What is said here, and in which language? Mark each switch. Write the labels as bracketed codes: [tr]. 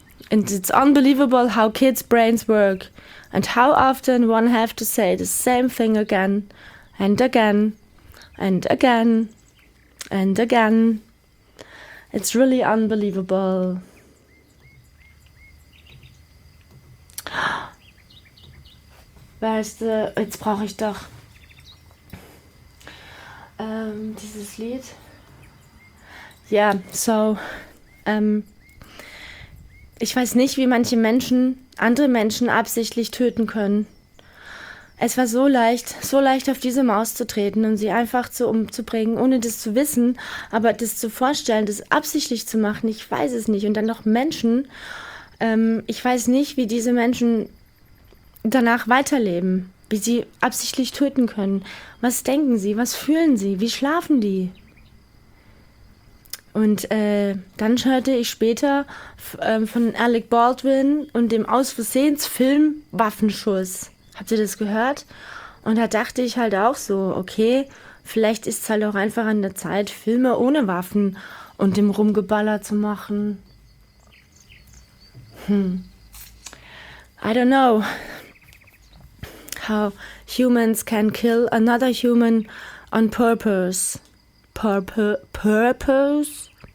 [en] And it's unbelievable how kids' brains work. And how often one have to say the same thing again, and again, and again, and again. It's really unbelievable. [de] Weißt du, jetzt brauche ich doch dieses Lied. Ja, so, ich weiß nicht, wie manche Menschen andere Menschen absichtlich töten können. Es war so leicht auf diese Maus zu treten und sie einfach zu umzubringen, ohne das zu wissen, aber das zu vorstellen, das absichtlich zu machen, ich weiß es nicht. Und dann noch Menschen, ich weiß nicht, wie diese Menschen danach weiterleben, wie sie absichtlich töten können. Was denken sie, was fühlen sie, wie schlafen die? Und dann hörte ich später von Alec Baldwin und dem aus Versehens Film Waffenschuss. Habt ihr das gehört? Und da dachte ich halt auch so, okay, vielleicht ist es halt auch einfach an der Zeit, Filme ohne Waffen und dem Rumgeballer zu machen. [en] I don't know how humans can kill another human on purpose. Purpose.